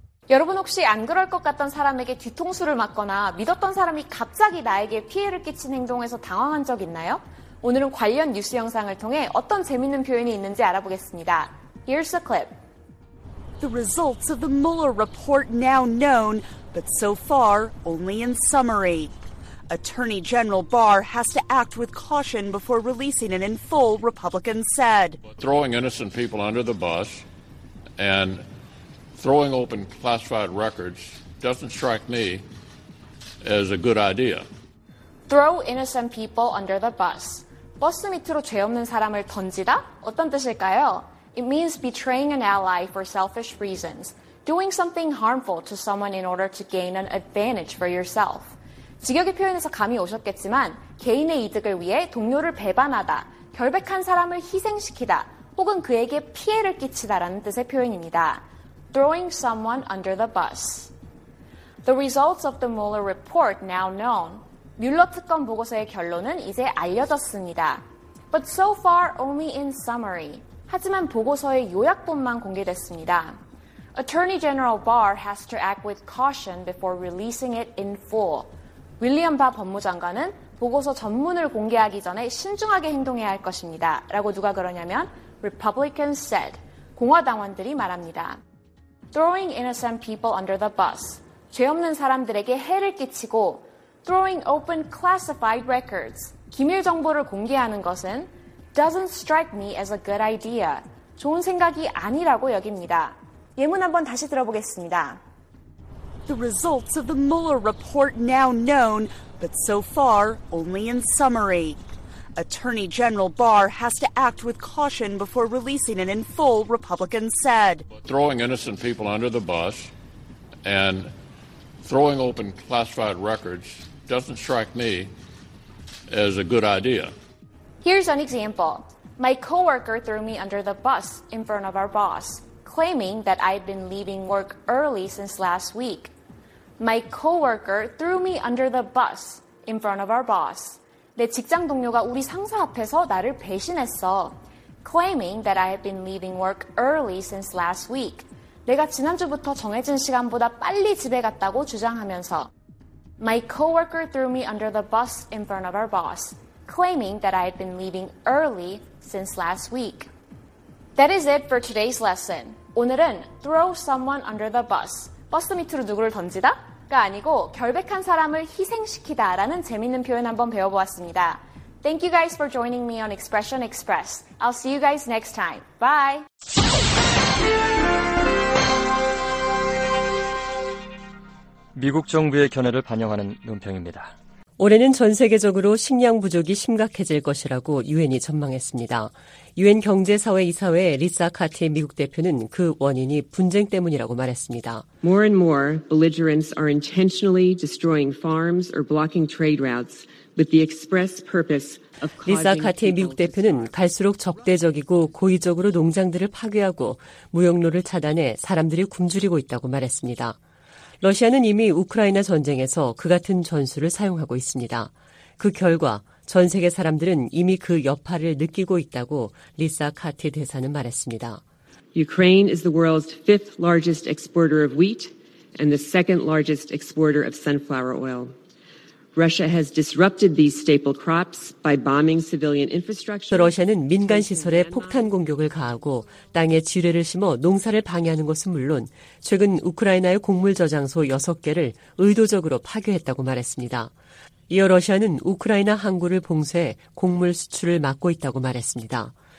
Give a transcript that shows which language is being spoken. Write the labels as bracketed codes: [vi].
[ko] 여러분 혹시 안 그럴 것 같던 사람에게 뒤통수를 맞거나 믿었던 사람이 갑자기 나에게 피해를 끼친 행동에서 당황한 적 있나요? 오늘은 관련 뉴스 영상을 통해 어떤 재밌는 표현이 있는지 알아보겠습니다. [en] Here's a clip. The results of the Mueller report now known, but so far only in summary. Attorney General Barr has to act with caution before releasing it in full, Republicans said. Throwing innocent people under the bus and throwing open classified records doesn't strike me as a good idea. Throw innocent people under the bus. [ko] 버스 밑으로 죄 없는 사람을 던지다? 어떤 뜻일까요? [en] It means betraying an ally for selfish reasons, doing something harmful to someone in order to gain an advantage for yourself. [ko] 직역의 표현에서 감이 오셨겠지만 개인의 이득을 위해 동료를 배반하다, 결백한 사람을 희생시키다, 혹은 그에게 피해를 끼치다라는 뜻의 표현입니다. [en] Throwing someone under the bus. The results of the Mueller report now known. [ko] 뮬러 특검 보고서의 결론은 이제 알려졌습니다. [en] But so far only in summary. [ko] 하지만 보고서의 요약본만 공개됐습니다. [en] Attorney General Barr has to act with caution before releasing it in full. [ko] 윌리엄 바 법무장관은 보고서 전문을 공개하기 전에 신중하게 행동해야 할 것입니다. 라고 누가 그러냐면 [en] Republicans said, [ko] 공화당원들이 말합니다. Throwing innocent people under the bus. 죄 없는 사람들에게 해를 끼치고 Throwing open classified records. 기밀 정보를 공개하는 것은 [en] doesn't strike me as a good idea. [ko] 좋은 생각이 아니라고 여깁니다. 예문 한번 다시 들어보겠습니다. [en] The results of the Mueller report now known, but so far only in summary. Attorney General Barr has to act with caution before releasing it in full, Republicans said. Throwing innocent people under the bus and throwing open classified records doesn't strike me as a good idea. Here's an example. My coworker threw me under the bus in front of our boss, claiming that I'd been leaving work early since last week. My coworker threw me under the bus in front of our boss. [ko] 내 직장 동료가 우리 상사 앞에서 나를 배신했어. [en] Claiming that I had been leaving work early since last week. [ko] 내가 지난주부터 정해진 시간보다 빨리 집에 갔다고 주장하면서. [en] My coworker threw me under the bus in front of our boss. Claiming that I had been leaving early since last week. That is it for today's lesson. [ko] 오늘은 [en] throw someone under the bus. [ko] 버스 밑으로 누구를 던지다? 가 아니고 결백한 사람을 희생시키다 라는 재밌는 표현 한번 배워보았습니다. [en] Thank you guys for joining me on Expression Express. I'll see you guys next time. Bye! [ko] ...미국 정부의 견해를 반영하는 논평입니다. 올해는 전 세계적으로 식량 부족이 심각해질 것이라고 UN이 전망했습니다. UN 경제사회이사회 리사 카티 미국 대표는 그 원인이 분쟁 때문이라고 말했습니다. [en] More and more belligerents are intentionally destroying farms or blocking trade routes with the express purpose of causing. [ko] 리사 카티 미국 대표는 갈수록 적대적이고 고의적으로 농장들을 파괴하고 무역로를 차단해 사람들이 굶주리고 있다고 말했습니다. 러시아는 이미 우크라이나 전쟁에서 그 같은 전술을 사용하고 있습니다. 그 결과 전 세계 사람들은 이미 그 여파를 느끼고 있다고 리사 카티 대사는 말했습니다. [en] Ukraine is the world's fifth largest exporter of wheat and the second largest exporter of sunflower oil. Russia has disrupted these staple crops by bombing civilian infrastructure. [ko] 러시아는 민간 시설에 폭탄 공격을 가하고 땅에 지뢰를 심어 농사를 방해하는 것은 물론 최근 우크라이나의 곡물 저장소 6개를 의도적으로 파괴했다고 말했습니다. 이어 러시아는 우크라이나 항구를 봉쇄해 곡물 수출을 막고 있다고 말했습니다.